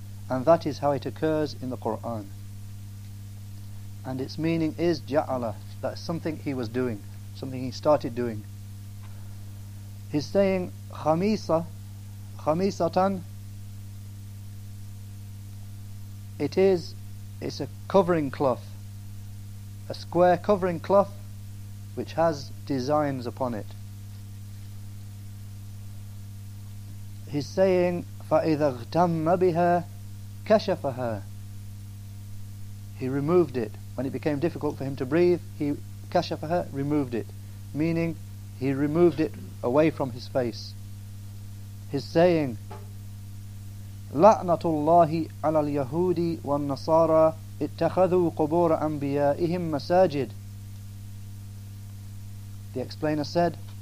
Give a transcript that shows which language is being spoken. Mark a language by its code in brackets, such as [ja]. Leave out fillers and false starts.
[en] And that is how it occurs in the Qur'an. And its meaning is ja'ala, that's something he was doing, something he started doing. His saying khamisa, [ar] خميصة. [en] It is, it's a covering cloth, a square covering cloth which has designs upon it. He's saying, [ar] فَإِذَا اغْتَمَّ بِهَا كَشَفَهَا. [en] He removed it. When it became difficult for him to breathe, he كَشَفَهَا, removed it. Meaning, he removed it away from his face. [ar] He's saying, لَعْنَةُ اللَّهِ عَلَى الْيَهُودِ وَالنَّصَارَى اتَّخَذُوا قُبُورَ أَنْبِيَائِهِمْ مَسَاجِدٍ. [en] The explainer said,